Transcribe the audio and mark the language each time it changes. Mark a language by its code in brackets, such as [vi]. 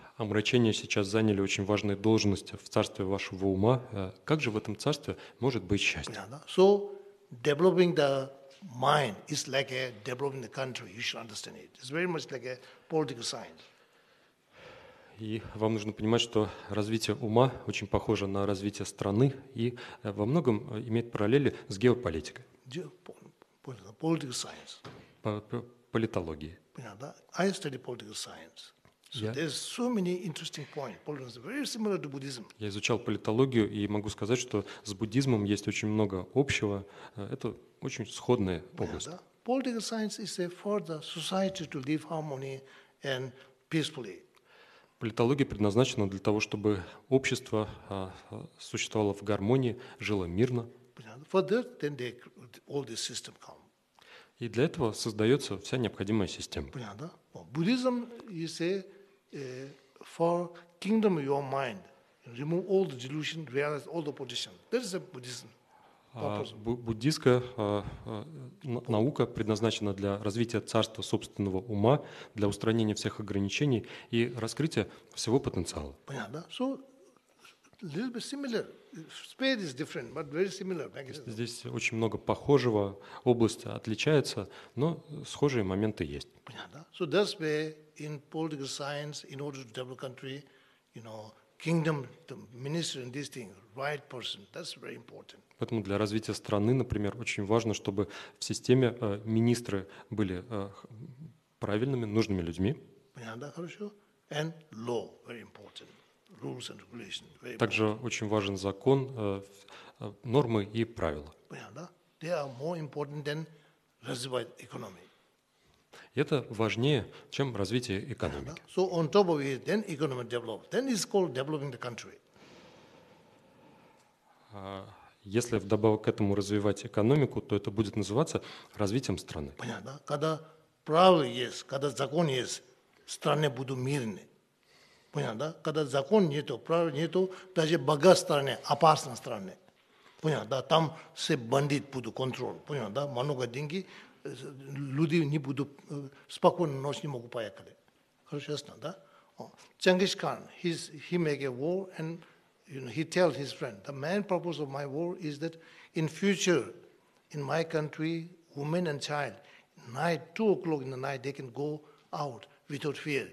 [ru] Омрачение сейчас заняли очень важные должности в царстве вашего ума. Как же в этом царстве может быть счастье? [en] So developing the mind is like a developing the country. You should understand it. It's very much like a political science. [ru] И вам нужно понимать, что развитие ума очень похоже на развитие страны и во многом имеет параллели с геополитикой. [en] Political science. [ru] Политологии. [en] Понятно. I study political science. So there's so many interesting points. Politics is very similar to Buddhism. [ru] Я изучал политологию и могу сказать, что с буддизмом есть очень много общего. Это очень сходная область. [en] Political science is for the society to live harmony and peacefully. [ru] Политология предназначена для того, чтобы общество существовало в гармонии, жило мирно. [en] For that, then all this system comes. [ru] И для этого создается вся необходимая система. Понятно, да? Буддизм, [en] you say, for kingdom of your mind, remove all the delusion, realize all the position. That is a Buddhism. [ru] Буддийская наука предназначена для развития царства собственного ума, для устранения всех ограничений и раскрытия всего потенциала. Понятно, да? [en] So, a little bit similar. Spade is different, but very similar. [ru] Здесь очень много похожего, область отличается, но схожие моменты есть. Понятно. [en] So that's where in political science, in order to develop country, you know, kingdom, the minister and this thing, right person, that's very important. [ru] Поэтому для развития страны, например, очень важно, чтобы в системе министры были правильными, нужными людьми. Понятно, хорошо. [en] And law, very important. Rules and regulations. [ru] Также очень важен закон, нормы и правила. Понятно, да? [en] They are more important than [ru] развивать экономику. Это важнее, чем развитие экономики. [en] So on top of it, then economy develops. Then it's called developing the country. [ru] Если вдобавок к этому развивать экономику, то это будет называться развитием страны. Понятно, да? Когда правило есть, когда закон есть, в стране будут мирны. Понятно, да? Когда закон нету, правил нету, даже бога страны, опасна страны. Понятно, да? Там все бандит будут контроль. Понятно, да? Много деньги, люди не будут спокойно ночь не могут поехали. Хорошо, ясно, да? [en] Чингис Хан, he make a war and you know, he tells his friend, the main purpose of my war is that in future, in my country, women and child, night, 2 o'clock in the night, they can go out without fear.